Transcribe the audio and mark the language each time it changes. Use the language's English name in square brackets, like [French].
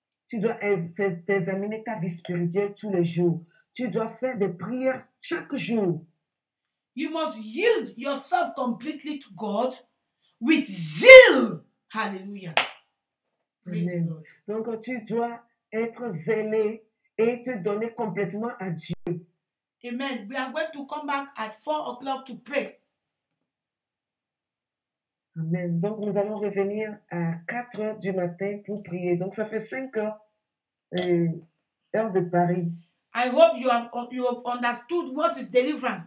[French] Tu dois examiner ta vie spirituelle tous les jours. Tu dois faire des prières chaque jour. [English] You must yield yourself completely to God with zeal. Hallelujah. Praise Amen. God. [French] Donc tu dois être zélé et te donner complètement à Dieu. [English] Amen. We are going to come back at 4 o'clock to pray. Amen. [French] Donc nous allons revenir à 4 heures du matin pour prier. Donc ça fait 5 heures, heure de Paris. [English] I hope you have understood what is deliverance.